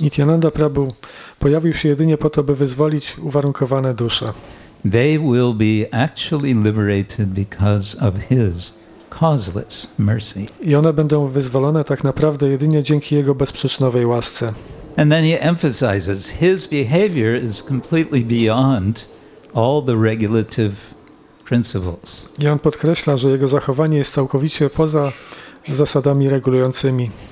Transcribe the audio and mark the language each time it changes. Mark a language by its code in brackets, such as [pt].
[pl] Nityananda Prabhu pojawił się jedynie po to, by wyzwolić uwarunkowane dusze. [en] They will be actually liberated because of his causeless mercy. [pl] I one będą wyzwolone tak naprawdę jedynie dzięki jego bezprzyczynowej łasce. [en] And then he emphasizes his behavior is completely beyond all the regulative principles. [pl] I on podkreśla, że jego zachowanie jest całkowicie poza zasadami regulującymi.